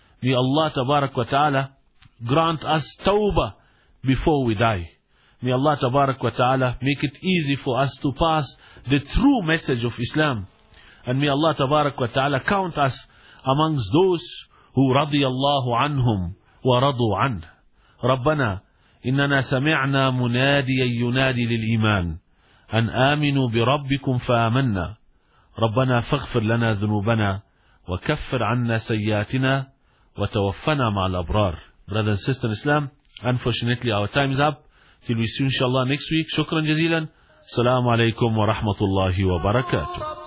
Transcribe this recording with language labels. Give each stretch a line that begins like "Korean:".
English: May Allah tabarak wa ta'ala grant us tawbah before we die. May Allah tabarak wa ta'ala make it easy for us to pass the true message of Islam. And may Allah tabarak wa ta'ala count us amongst those who radiyallahu anhum
Arabic: ورضوا عنه. ربنا إننا سمعنا مناديا ينادي للإيمان أن آمنوا بربكم فآمنا. ربنا فاغفر لنا ذنوبنا وكفر عنا سيئاتنا وتوفنا مع الأبرار.
English: Brother and sister in Islam, unfortunately our time is up. Till we see you inshallah next week.
Arabic: شكرا جزيلا. السلام عليكم ورحمة الله وبركاته.